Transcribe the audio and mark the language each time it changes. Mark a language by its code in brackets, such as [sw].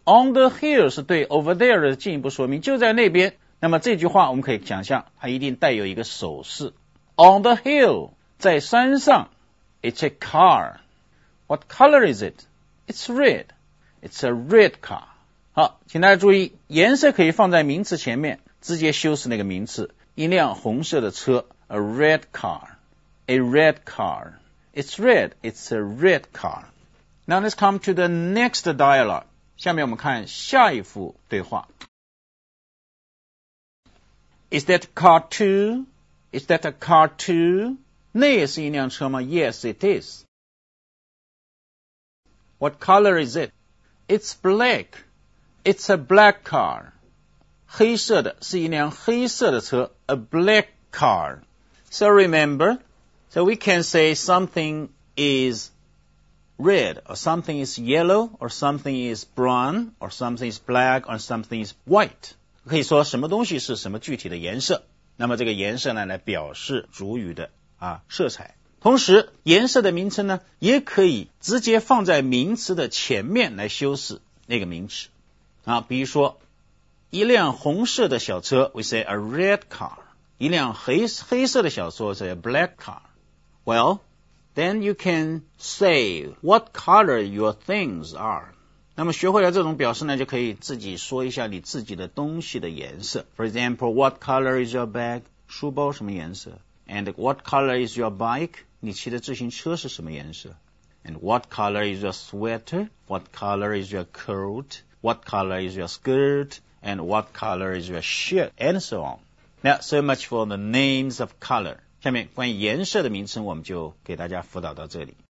[en] On the hill [zh] 是对 [en] over there [zh] 的进一步说明，就在那边。那么这句话我们可以想象，它一定带有一个手势。 [en] On the hill, [zh] 在山上。 [en] It's a car. What color is it? It's red. It's a red car. [zh] 好，请大家注意，颜色可以放在名词前面，直接修饰那个名词。一辆红色的车 ， [en] a red car. A red car. It's red. It's a red car. Now let's come to the next dialogue. [zh] 下面我们看下一幅对话。 [en] Is that a car too? Is that a car too? [zh] 那也是一辆车吗 ? [en] Yes, it is. What color is it? It's black. It's a black car. [zh] 黑色的是一辆黑色的车 , [en] a black car. So remember, so we can say something is red, or something is yellow, or something is brown, or something is black, or something is white. [zh] 可以说什么东西是什么具体的颜色。那么这个颜色呢来表示主语的啊，色彩。同时，颜色的名称呢，也可以直接放在名词的前面来修饰那个名词。啊，比如说，一辆红色的小车 ， [en] we say a red car； [zh] 一辆黑色的小车 ， [en] say a black car。 Well, then you can say what color your things are。 [zh] 那么学会了这种表示呢，就可以自己说一下你自己的东西的颜色。 [en] For example, what color is your bag？ [zh] 书包什么颜色？ [en] And what color is your bike? [zh] 你骑的自行车是什么颜色 ? [en] And what color is your sweater? What color is your coat? What color is your skirt? And what color is your shirt? And so on. Now, so much for the names of color. [zh] 下面关于颜色的名称我们就给大家辅导到这里。